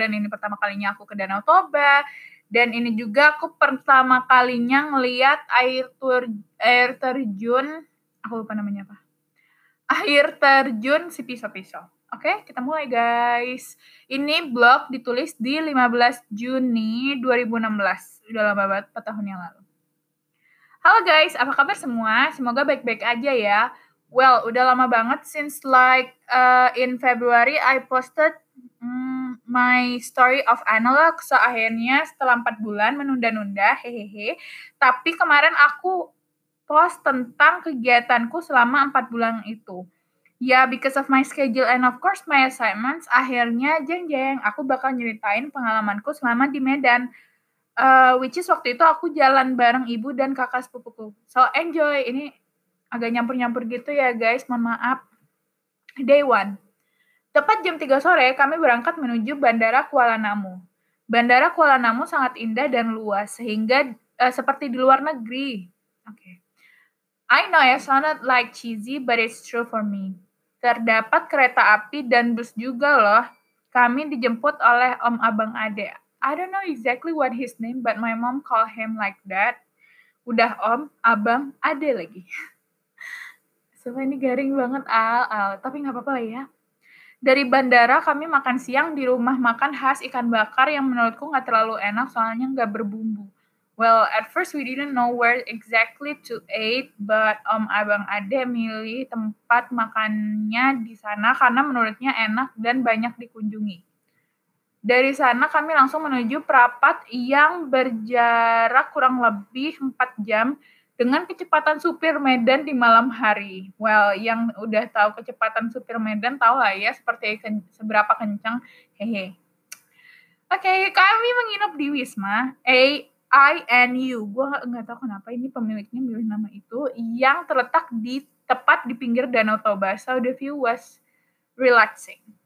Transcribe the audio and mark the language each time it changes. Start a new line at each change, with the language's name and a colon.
Indonesian: Dan ini pertama kalinya aku ke Danau Toba. Dan ini juga aku pertama kalinya ngeliat air terjun. Aku lupa namanya apa. Air terjun si pisau-pisau. Oke, kita mulai guys. Ini blog ditulis di 15 Juni 2016. Udah lama banget, 4 tahun yang lalu. Halo guys, apa kabar semua? Semoga baik-baik aja ya.
English: Well,
Indonesian: udah lama banget
English: since in February I posted my story of analog.
Indonesian: So, akhirnya setelah 4 bulan menunda-nunda, hehehe. Tapi kemarin aku post tentang kegiatanku selama 4 bulan itu. Ya,
English: because of my schedule and of course my assignments,
Indonesian: akhirnya jeng-jeng, aku bakal nyeritain pengalamanku selama di Medan. Which is waktu itu aku jalan bareng ibu dan kakak sepupuku. So, enjoy. Ini agak nyampur-nyampur gitu ya, guys. Mohon maaf. Day one. Tepat jam 3 sore, kami berangkat menuju Bandara Kuala Namu. Bandara Kuala Namu sangat indah dan luas, sehingga seperti di luar negeri.
English: Okay. I know it sounded like cheesy, but it's true for me.
Indonesian: Terdapat kereta api dan bus juga loh. Kami dijemput oleh om abang ade.
English: I don't know exactly what his name, but my mom call him like that.
Indonesian: Udah om, abang, ade lagi. Sumpah ini garing banget, Al. Tapi gak apa-apa lah ya. Dari bandara, kami makan siang di rumah makan khas ikan bakar yang menurutku gak terlalu enak soalnya gak berbumbu. Well,
English: at first we didn't know where exactly to eat,
Indonesian: but om abang ade milih tempat makannya di sana karena menurutnya enak dan banyak dikunjungi. Dari sana kami langsung menuju perapat yang berjarak kurang lebih 4 jam dengan kecepatan supir Medan di malam hari. Well, yang udah tahu kecepatan supir Medan tahu lah ya seperti seberapa kencang. Hehe. Okay, kami menginap di Wisma AINU. Gua enggak tahu kenapa ini pemiliknya milih nama itu yang terletak di tepat di pinggir Danau Toba.
English: So the view was relaxing.